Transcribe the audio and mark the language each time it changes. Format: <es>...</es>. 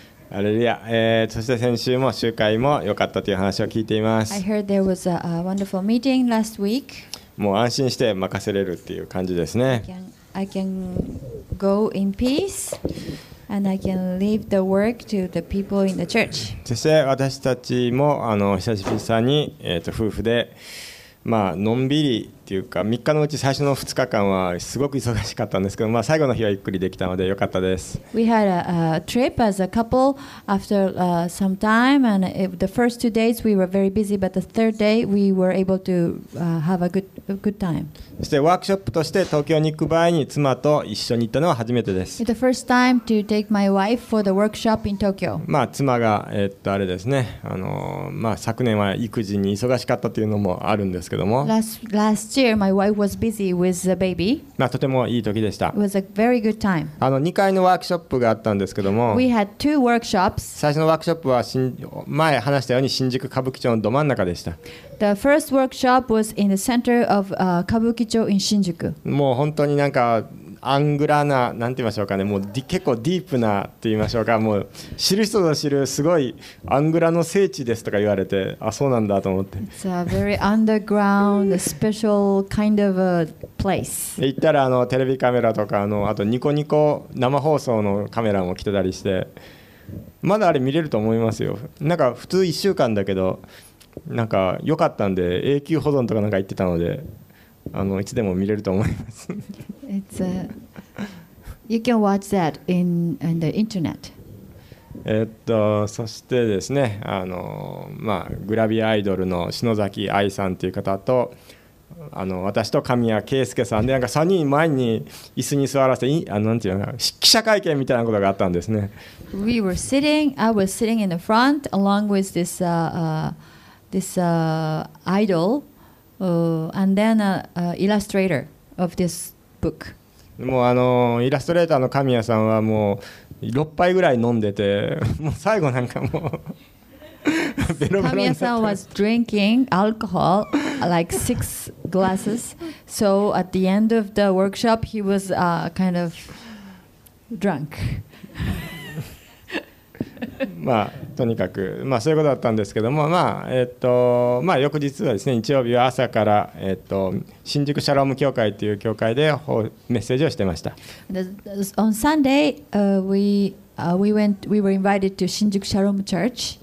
<ja>アレリア、そして先週も集会も良かったという話を聞いています。</ja> <en>I heard there was a wonderful meeting last week。</en> <ja>もう安心して任せれるっていう感じですね。</ja> <en>I can go in peace and I can leave the work to the people in the church。</en> <ja>そして私たちも久しぶりに、夫婦でまあのんびりというか、3日のうち最初の2日間はすごく忙しかったんですけど、まあ最後の日はゆっくりできたのでよかったです。</ja> <en>We had a trip as a couple after some time and the first 2 days we were very busy but the third day we were able to have a good time。</en> <ja>そしてワークショップとして東京に行く場合に妻と一緒に行ったのは初めてです。</ja> <en>It's the first time to take my wife for the workshop in Tokyo。</en> <ja>まあ妻が、あれですね、まあ昨年は育児に忙しかったというのもあるんですけども、</ja> <en>Last year, my wife was busy with the baby.</en> <ja>まあ、とてもいい時でした。</ja> <en>It was a very good time.</en> <ja>2階のワークショップがあったんですけども、</ja> <en>We had two workshops.</en> <ja>最初のワークショップは前話したように新宿歌舞伎町のど真ん中でした。</ja> <en>The first workshop was in the center of 歌舞伎町 in 新宿。</en> <ja>もう本当になんかアングラな、なんて言いましょうかね、もう結構ディープなって言いましょうか、もう知る人ぞ知るすごいアングラの聖地ですとか言われて、あ、そうなんだと思って。</ja> <en>It's a very underground, special kind of a place.</en> <ja>行ったらテレビカメラとか、あとニコニコ生放送のカメラも来てたりして、まだあれ見れると思いますよ。なんか普通1週間だけど、なんか良かったんで永久保存とかなんか言ってたので、いつでも見れると思います。</ja> <en>It's you can watch that in the internet.</en> <ja>そしてですね、まあグラビアアイドルの篠崎愛さんという方と、私と神谷圭介さんでなんか3人前に椅子に座らせて、なんていうの、記者会見みたいなことがあったんですね。</ja> <en>We were sitting. I was sitting in the front along with this idol, and then illustrator of this. Book.</en> <ja>もうイラストレーターの神谷さんはもう6杯ぐらい飲んでて、もう最後なんかもうベロベロ。</ja> <en>神谷さん was drinking alcohol like six glasses. So at the end of the workshop, he was kind of drunk.</en> <ja>まあとにかくまあそういうことだったんですけども、まあまあ翌日はですね、日曜日は朝から新宿シャローム教会という教会でメッセージをしてました。</ja> <en>On Sunday we were invited to 新宿シャローム church。</en>